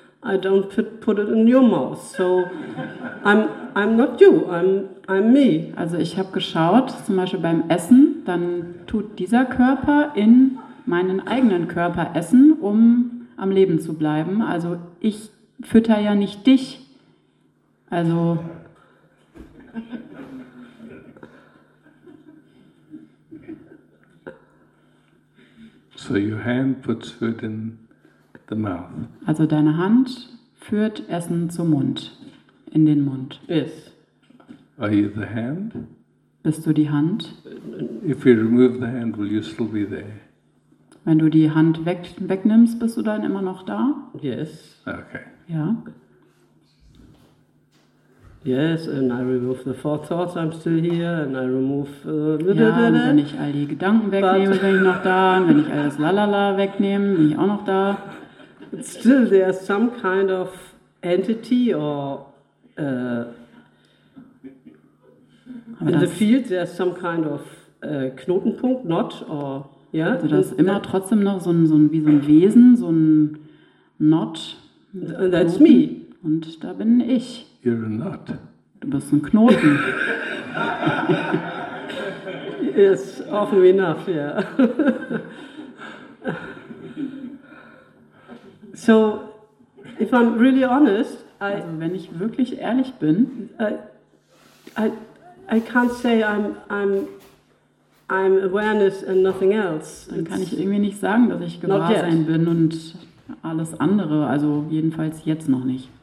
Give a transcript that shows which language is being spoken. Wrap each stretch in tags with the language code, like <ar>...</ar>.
<en>I don't put it in your mouth. So I'm not you, I'm me.</en> <de>Also ich habe geschaut, zum Beispiel beim Essen, dann tut dieser Körper in meinen eigenen Körper essen, um am Leben zu bleiben. Also ich fütter ja nicht dich. Also</de> <en>so your hand puts food in the mouth.</en> <de>Also deine Hand führt Essen zum Mund, in den Mund.</de> <en>Yes. Are you the hand?</en> <de>Bist du die Hand?</de> <en>If you remove the hand, will you still be there?</en> <de>Wenn du die Hand wegnimmst, bist du dann immer noch da?</de> <en>Yes. Okay.</en> <de>Ja.</de> <en>Yes, and I remove the four thoughts, I'm still here, and I remove</en> <de>Und wenn ich all die Gedanken wegnehme, bin ich noch da, und wenn ich all das Lalala wegnehme, bin ich auch noch da.</de> <en>But still, there's some kind of entity or in the field, there's some kind of Knotenpunkt, knot or, yeah.</en> <de>Also da ist immer trotzdem noch so ein Wesen, so ein Knot.</de> <en>And that's me.</en> <de>Und da bin ich.</de> <en>You're a knot.</en> <de>Du bist ein Knoten.</de> <en>Yes, often enough, yeah. So, if I'm really honest,</en> <de>also wenn ich wirklich ehrlich bin,</de> <en>I can't say I'm awareness and nothing else.</en> <de>Dann kann ich irgendwie nicht sagen, dass ich Gewahrsein bin und alles andere, also jedenfalls jetzt noch nicht.</de>